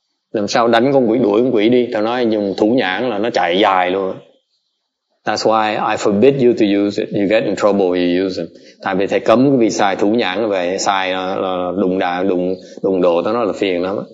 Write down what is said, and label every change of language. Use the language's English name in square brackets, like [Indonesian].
[Vietnamese] Làm sao đánh con quỷ, đuổi con quỷ đi. Tao nói dùng thủ nhãn là nó chạy dài luôn. [English] That's why I forbid you to use it. You get in trouble if you use it. [Vietnamese] Tại vì thầy cấm cái việc xài thủ nhãn về xài là đụng đà, đụng đồ tao nói là phiền lắm.